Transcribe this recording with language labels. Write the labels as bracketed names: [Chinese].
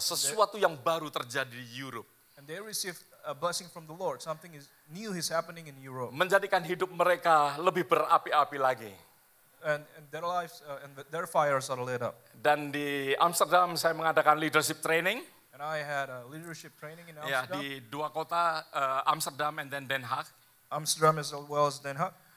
[Indonesian] Sesuatu yang baru terjadi di Europe. [English] And they received a blessing from the Lord. Something is new is happening in Europe. [Indonesian] Menjadikan hidup mereka lebih berapi-api lagi. [English] And their lives and their fires are lit up. [Indonesian] Dan di Amsterdam saya mengadakan leadership training. [English] And I had a leadership training in Amsterdam. Yeah, [Indonesian] di dua kota Amsterdam [English] and then [Indonesian] Den Haag. [English] Amsterdam as well as Den Haag.